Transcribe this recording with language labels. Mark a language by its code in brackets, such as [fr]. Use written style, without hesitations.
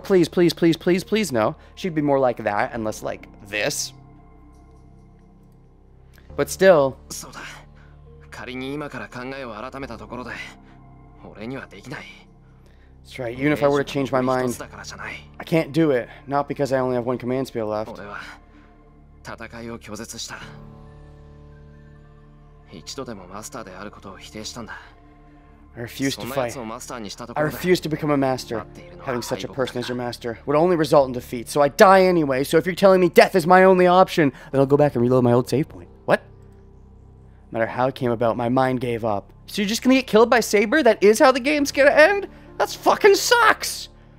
[en] Please, please, please, please, please no. She'd be more like that and less like this. But still. So da. [ja] 仮に今から考えを改めたところで、俺にはできない。 [en] That's right. Even if I were to change my mind, I can't do it. Not because I only have one command spell left. [ja] 俺は戦いを拒絶した。一度でもマスターであることを否定したんだ。 [en] I refuse to fight. I refuse to become a master. Having such a person as your master would only result in defeat, so I die anyway. So if you're telling me death is my only option, then I'll go back and reload my old save point. What? No matter how it came about, my mind gave up. So you're just gonna get killed by Saber? That is how the game's gonna end? That fucking sucks!